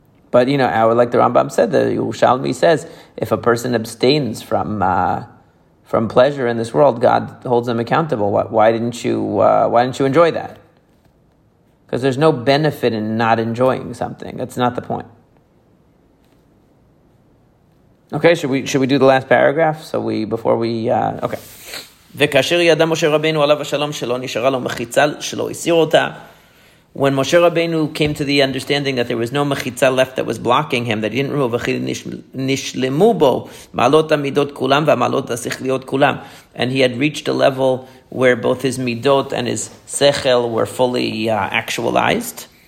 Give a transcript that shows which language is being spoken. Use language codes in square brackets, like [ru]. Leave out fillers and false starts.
[en] But, you know, like the Rambam said, the Yerushalmi says, if a person abstains from pleasure in this world, God holds them accountable. Why didn't you enjoy that? Because there's no benefit in not enjoying something. That's not the point. Okay, should we do the last paragraph? Okay. [he] וכאשר ידע משה רבינו עליו השלום שלא נשארה לו מחיצה שלא הסיר אותה. [en] When Moshe Rabbeinu came to the understanding that there was no mechitza left that was blocking him, that he didn't remove, [he] nishlemu bo malot amidot kulam v'malot asichliot kulam, [en] and he had reached a level where both his midot and his sechel were fully actualized.